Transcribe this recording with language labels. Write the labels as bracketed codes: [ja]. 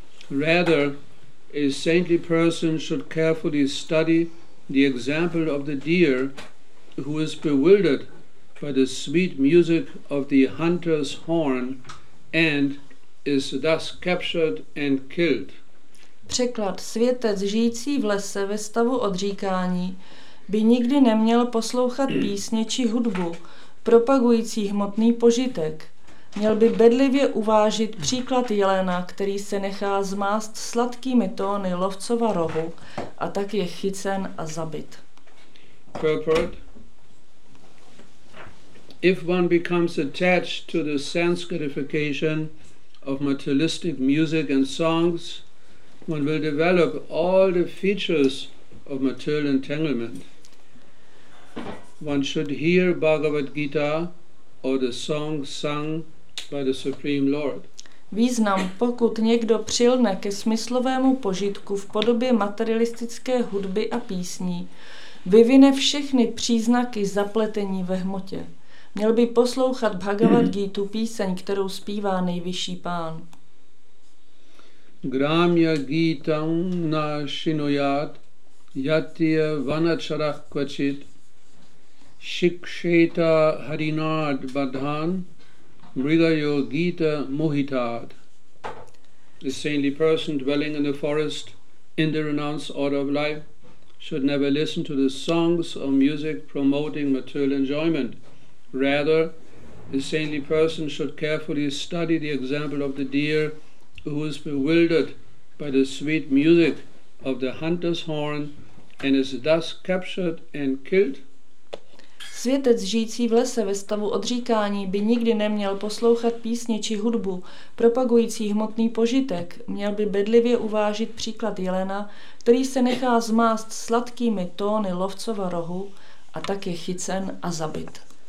[en] Rather, a saintly person should carefully study the example of the deer who is bewildered by the sweet music of the hunter's horn and is thus captured and killed. [cs] Překlad: světec žijící v lese ve stavu odříkání by nikdy neměl poslouchat písně či hudbu propagující hmotný požitek. Měl by bedlivě uvážit příklad jelena, který se nechá zmást sladkými tóny lovcova rohu a tak je chycen a zabit. [en] Purport. If one becomes attached to the sense gratification of materialistic music and songs, one will develop all the features of material entanglement. One should hear Bhagavad Gita or the song sung by the Supreme Lord. [cs] Význam: pokud někdo přilne ke smyslovému požitku v podobě materialistické hudby a písní, vyvine všechny příznaky zapletení ve hmotě. Měl by poslouchat Bhagavad Gitu, píseň, kterou zpívá nejvyšší pán. [sa] Gramya Gitam Nashinuyat Yatiya Vanachara Kvachit Shikshita Harinad Badhan Mrigayo Gita Mohitat. [en] The saintly person dwelling in the forest in the renounced order of life should never listen to the songs or music promoting material enjoyment. Rather, the saintly person should carefully study the example of the deer who is bewildered by the sweet music of the hunter's horn and is thus captured and killed? [cs] Světec žijící v lese ve stavu odříkání by nikdy neměl poslouchat písně či hudbu propagující hmotný požitek, měl by bedlivě uvážit příklad jelena, který se nechá zmást sladkými tóny lovcova rohu a tak je chycen a zabit.